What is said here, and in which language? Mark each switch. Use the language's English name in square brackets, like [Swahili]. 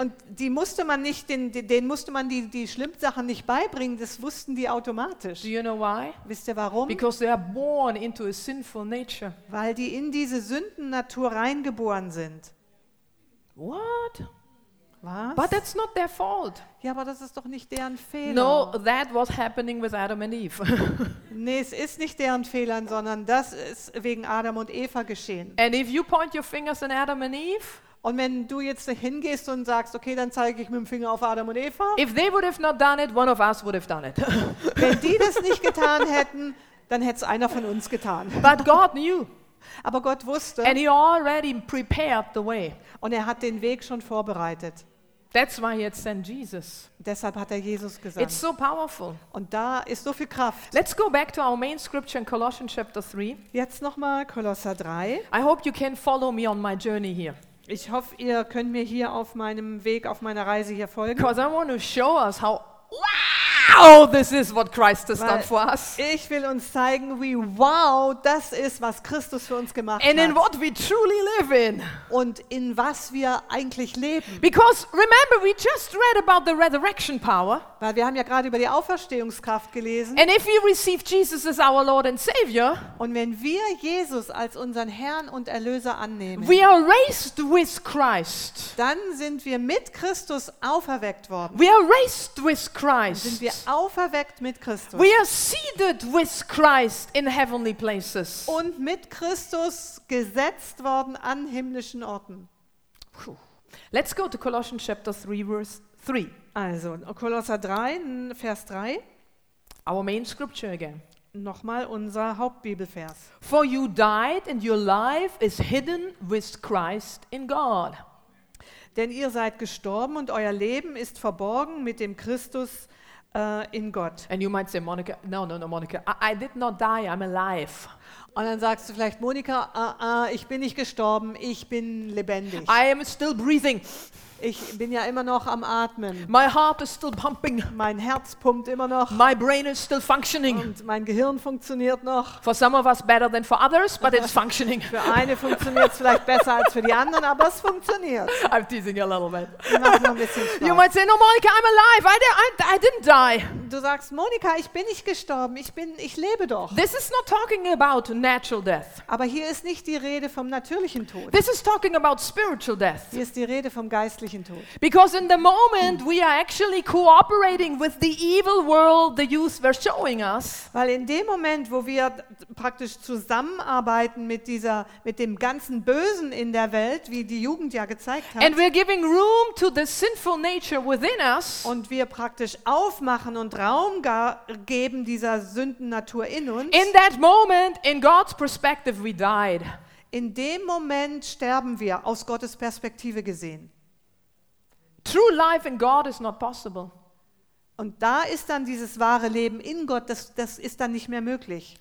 [German] Und die musste man nicht, denen musste man die schlimmen Sachen nicht beibringen. Das wussten die automatisch. [English] Do you know why? [German] Wisst ihr warum? [English] Because they are born into a sinful nature. [German] Weil die in diese Sündennatur reingeboren sind. [English] What? [German] Was? [English] But that's not their fault. [German] Ja, aber das ist doch nicht deren Fehler. [English] No, that was happening with Adam and Eve. [German] Nee, es ist nicht deren Fehler, sondern das ist wegen Adam und Eva geschehen. [English] And if you point your fingers at Adam and Eve, [German] und wenn du jetzt hingehst und sagst, okay, dann zeige ich mit dem Finger auf Adam und Eva. [English] If they would have not done it, one of us would have done it. [German] Wenn die das nicht getan hätten, dann hätte es einer von uns getan. [English] But God knew. [German] Aber Gott wusste. [English] And he already prepared the way. [German] Und er hat den Weg schon vorbereitet. [English] That's why he had sent Jesus. [German] Deshalb hat er Jesus gesandt. [English] It's so powerful. [German] Und da ist so viel Kraft. [English] Let's go back to our main scripture in Colossians chapter 3. [German] Jetzt nochmal Kolosser 3. [English] I hope you can follow me on my journey here. [German] Ich hoffe, ihr könnt mir hier auf meinem Weg, auf meiner Reise hier folgen. [English] Because I want to show us how wow this is what Christ has done for us. [German] Ich will uns zeigen, wie wow das ist, was Christus für uns gemacht [English] and [German] hat. [English] And in what we truly live in. [German] Und in was wir eigentlich leben. [English] Because remember, we just read about the resurrection power. [German] Weil wir haben ja gerade über die Auferstehungskraft gelesen. [English] And if we receive Jesus as our Lord and Savior. [German] Und wenn wir Jesus als unseren Herrn und Erlöser annehmen. [English] We are raised with Christ. [German] Dann sind wir mit Christus auferweckt worden. [English] We are raised with Christ. [German] Dann sind wir auferweckt mit Christus. [English] We are seated with Christ in heavenly places. [German] Und mit Christus gesetzt worden an himmlischen Orten. [English] Let's go to Colossians chapter 3 verse 3. [German] Also, Kolosser 3, Vers 3. [English] Our main scripture again. [German] Nochmal unser Hauptbibelvers. [English] For you died and your life is hidden with Christ in God. [German] Denn ihr seid gestorben und euer Leben ist verborgen mit dem Christus in Gott. [English] And you might say, Monica, Monica, I did not die, I'm alive. [German] Und dann sagst du vielleicht, Monika, ich bin nicht gestorben, ich bin lebendig. [English] I am still breathing. [German] Ich bin ja immer noch am Atmen. [English] My heart is still pumping. [German] Mein Herz pumpt immer noch. [English] My brain is still functioning. [German] Und mein Gehirn funktioniert noch. [English] For some of us better than for others, but it's functioning. [German] Für eine funktioniert es vielleicht besser als für die anderen, aber es funktioniert. [English] I'm teasing you a little bit. You might say, no, Monica, I'm alive. I didn't die. [German] Du sagst, Monika, ich bin nicht gestorben. Ich lebe doch. [English] This is not talking about natural death. [German] Aber hier ist nicht die Rede vom natürlichen Tod. [English] This is talking about spiritual death. [German] Hier ist die Rede vom Geist. [English] Because in the moment we are actually cooperating with the evil world the youth were showing us. [German] Weil in dem Moment, wo wir praktisch zusammenarbeiten mit dem ganzen Bösen in der Welt, wie die Jugend ja gezeigt hat. [English] And we're giving room to the sinful nature within us. [German] Und wir praktisch aufmachen und Raum geben dieser Sündennatur in uns. [English] In that moment, in God's perspective, we died. [German] In dem Moment sterben wir, aus Gottes Perspektive gesehen. [English] True life in God is not possible. [German] Und da ist dann dieses wahre Leben in Gott, das ist dann nicht mehr möglich.